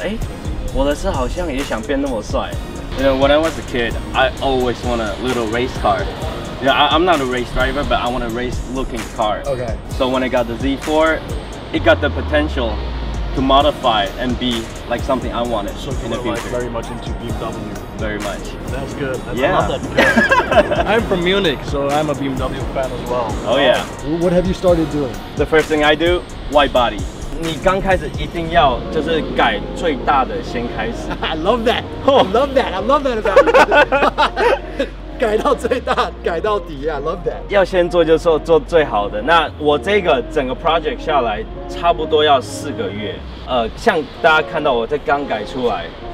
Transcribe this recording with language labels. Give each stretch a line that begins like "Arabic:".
Chinese: 它是原厂车。当我开始看姚大、Sunny他们在改车的时候，我想说，哎，我的车好像也想变那么帅。
English: You know, when I was a kid, I always want a little race car. Yeah, I'm not a race driver, but I want a race-looking car. Okay. So when I got the Z4, it got the potential to modify and be like something I wanted so in the future. So you very much into BMW. Very much. That's good. That's, yeah. I love that. I'm from Munich, so I'm a BMW fan as well. Oh yeah. What have you started doing? The first thing I do, white body.
Chinese: 你刚开始一定要就是改最大的先开始。
English: I love that. Oh. I love that. I love that about you.
Chinese: 改到最大，改到底，
English: yeah, I love that.
Chinese: 要先做就是做最好的。那我这个整个 project 下来，差不多要4个月。像大家看到我在刚改出来，